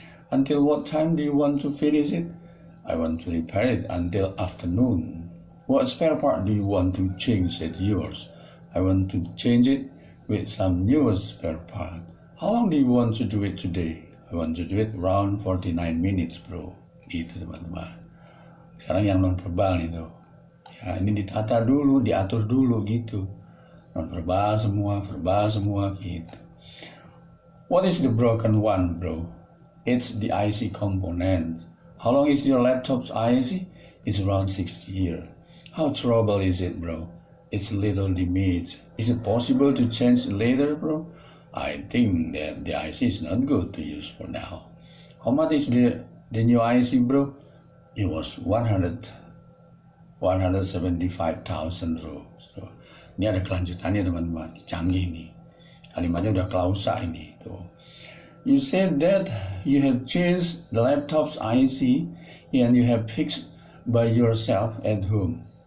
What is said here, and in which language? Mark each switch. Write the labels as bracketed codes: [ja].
[en] Until what time do you want to finish it? I want to repair it until afternoon. What spare part do you want to change at yours? I want to change it with some newer spare part. How long do you want to do it today? I want to do it around 49 minutes, bro. [id] Itu teman-teman. Sekarang yang non-verbal itu. Ya, ini ditata dulu, diatur dulu gitu. Non-verbal semua, verbal semua gitu. [en] What is the broken one, bro? It's the IC component. How long is your laptop's IC? It's around 6 years. How trouble is it, bro? It's little damage. Is it possible to change later, bro? I think that the IC is not good to use for now. How much is the new IC, bro? It was 175,000, bro. [id] So, ini ada kelanjutannya, teman-teman. Canggih ini. Kalimatnya udah klausa ini. Tuh. [en] You said that you have changed the laptop's IC and you have fixed by yourself at home.